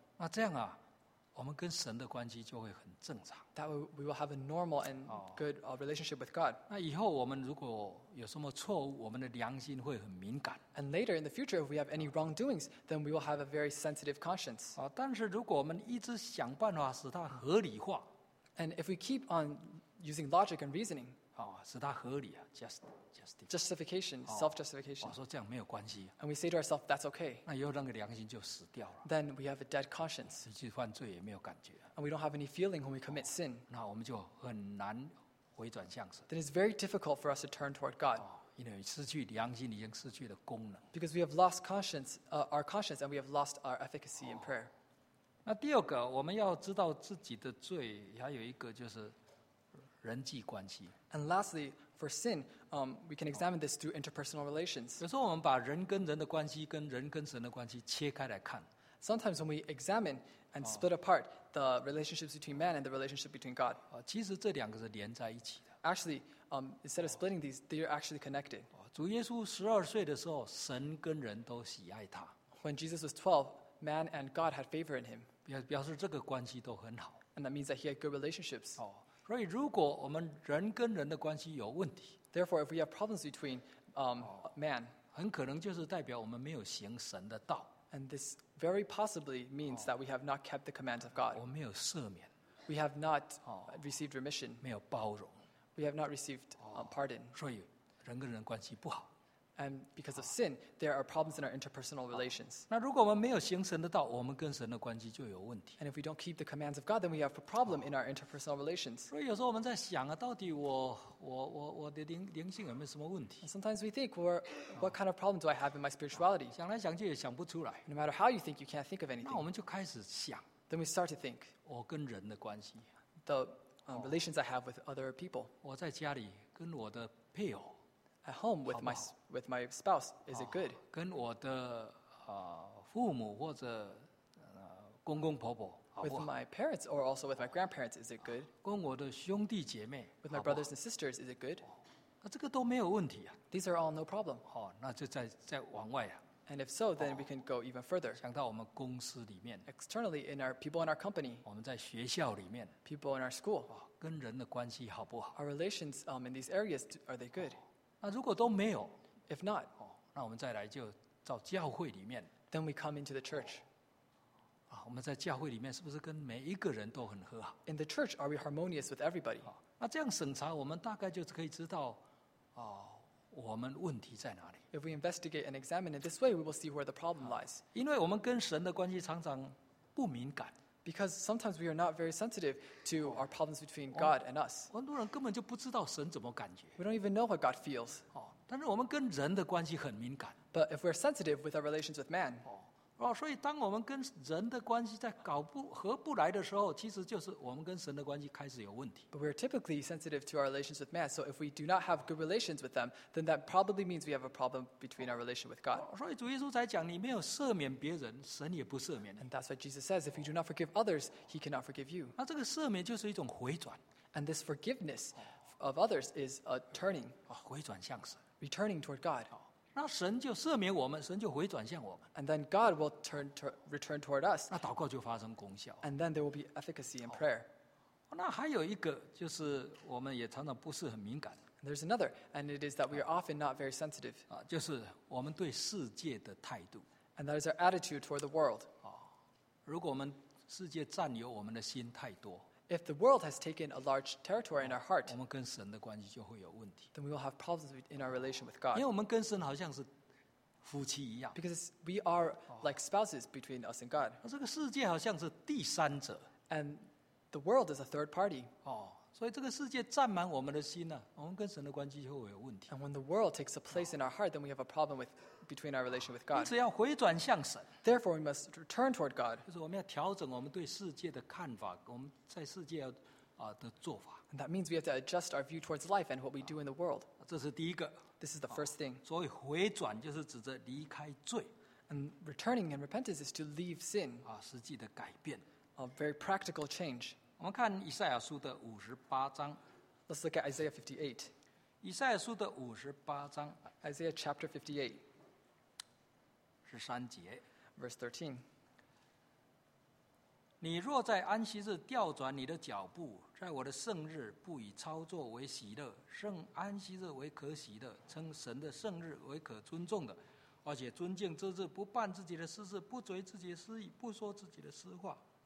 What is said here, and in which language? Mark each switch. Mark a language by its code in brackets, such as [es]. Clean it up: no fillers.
[zh] 那这样啊。我们跟神的关系就会很正常。 [en] That we will have a normal and good relationship with God. [zh] 那以后我们如果有什么错误，我们的良心会很敏感。 [en] And later in the future, if we have any wrongdoings, then we will have a very sensitive conscience. [zh] 但是如果我们一直想办法使它合理化 [en] ，And if we keep on using logic and reasoning, [zh] 使它合理啊 ，justification, [en] justification, self-justification. [zh] 说这样没有关系。 [en] And we say to ourselves, that's okay. [zh] 那以后那个良心就死掉了。 [en] Then we have a dead conscience. [zh] 实际犯罪也没有感觉。 [en] And we don't have any feeling when we commit sin. [zh] 那我们就很难回转向神。 [en] Then it's very difficult for us to turn toward God. [zh] 因为失去良心已经失去了功能。 [en] Because we have lost conscience, our conscience, and we have lost our efficacy in prayer. [zh] 那第二个，我们要知道自己的罪，还有一个就是。人际关系。 [en] And lastly, for sin, we can examine this through interpersonal relations. [zh] 有时候我们把人跟人的关系跟人跟神的关系切开来看。 [en] Sometimes when we examine and split apart the relationships between man and the relationship between God. [zh] 其实这两个是连在一起的。 [en] Actually, instead of splitting these, they are actually connected. [zh] 主耶稣十二岁的时候，神跟人都喜爱他。 [en] When Jesus was 12, man and God had favor in him. [zh] 表示这个关系都很好。 [en] And that means that he had good relationships. [zh] 所以，如果我们人跟人的关系有问题 [en] ，Therefore, if we have problems between man, [zh] 很可能就是代表我们没有行神的道。 [en] And this very possibly means that we have not kept the commands of God. [zh] 我没有赦免。 [en] We have not received remission. [zh] 没有包容。 [en] We have not received pardon. [zh] 所以，人跟人关系不好。 [en] And because of sin, there are problems in our interpersonal relations. [zh] 那如果我们没有行神的道，我们跟神的关系就有问题。 [en] And if we don't keep the commands of God, then we have a problem in our interpersonal relations. [zh] 所以有时候我们在想啊，到底我的灵性有没有什么问题 [en] ？And sometimes we think, what kind of problem do I have in my spirituality? [zh] 想来想去也想不出来。 [en] No matter how you think, you can't think of anything. [zh] 那我们就开始想。 [en] Then we start to think. [zh] 我跟人的关系。 [en] The relations I have with other people. [zh] 我在家里跟我的配偶。 [en] At home with my spouse, is it good? [zh] 跟我的父母或者公公婆婆 [en] With my parents or also with my grandparents, is it good? [zh] 跟我的兄弟姐妹 [en] With my brothers and sisters, is it good? [zh] 那这个都没有问题啊 [en] These are all no problem. [zh] 那就再往外啊 [en] And if so, then we can go even further. [zh] 想到我们公司里面 [en] Externally, in our people in our company. [zh] 我们在学校里面 [en] People in our school. [zh] 跟人的关系好不好 [en] Our relations in these areas, are they good? [zh] 那如果都没有 [en] ，If not， [zh] 那我们再来就到教会里面。 [en] Then we come into the church。 [zh] 我们在教会里面是不是跟每一个人都很和好 [en] ？In the church, are we harmonious with everybody？ [zh] 那这样审查，我们大概就可以知道，我们问题在哪里 [en] ？If we investigate and examine it this way, we will see where the problem lies。 [zh] 因为我们跟神的关系常常不敏感。 [en] Because sometimes we are not very sensitive to our problems between God and us. [zh] 很多人根本就不知道神怎么感觉。 [en] We don't even know what God feels. [zh] 但是我们跟人的关系很敏感。 [en] But if we're sensitive with our relations with man. [zh] 所以当我们跟人的关系在搞不合不来的时候，其实就是我们跟神的关系开始有问题。 [en] But we're typically sensitive to our relations with man. So if we do not have good relations with them, then that probably means we have a problem between our relation with God. [zh] 所以主耶稣才讲，你没有赦免别人，神也不赦免。 [en] And that's why Jesus says, if you do not forgive others, he cannot forgive you. [zh] 那这个赦免就是一种回转。 [en] And this forgiveness of others is a turning. [zh] 回转向神。 [en] Returning toward God. [zh] 那神就赦免我们，神就回转向我们。 [en] And then God will return toward us. [zh] 那祷告就发生功效。 [en] And then there will be efficacy in prayer. [zh] 那还有一个就是我们也常常不是很敏感。 [en] There's another, and it is that we are often not very sensitive. [zh] 就是我们对世界的态度。 [en] And that is our attitude toward the world. [zh] 如果我们世界占有我们的心太多。 [en] If the world has taken a large territory in our heart, [zh] 我们跟神的关系就会有问题。 [en] Then we will have problems in our relation with God. [zh] 因为我们跟神好像是夫妻一样。 [en] Because we are like spouses between us and God. [zh] 这个世界好像是第三者。 [en] And the world is a third party. [zh] 哦，所以这个世界占满我们的心呢，我们跟神的关系就会有问题。 [en] And when the world takes a place in our heart, then we have a problem with between our relation with God. [zh] 因此要回转向神。 [en] Therefore, we must return toward God. [zh] 就是我们要调整我们对世界的看法，我们在世界要。 [en] And that means we have to adjust our view towards life and what we do in the world. [zh] 这是第一个。 [en] This is the first thing. [zh] 所以回转就是指着离开罪。 [en] And returning and repentance is to leave sin. [zh] 实际的改变。 [en] A very practical change. [zh] 我们看以赛亚书的五十八章。 [en] Let's look at Isaiah 58. [zh] 以赛亚书的五十八章。 [en] Isaiah chapter 58. [zh] 十三节。 [en] Verse 13. [zh] 你若在安息日调转你的脚步，在我的圣日不以操作为喜乐，圣安息日为可喜的，称神的圣日为可尊重的，而且尊敬之日，不办自己的私事，不随自己的私意，不说自己的私话。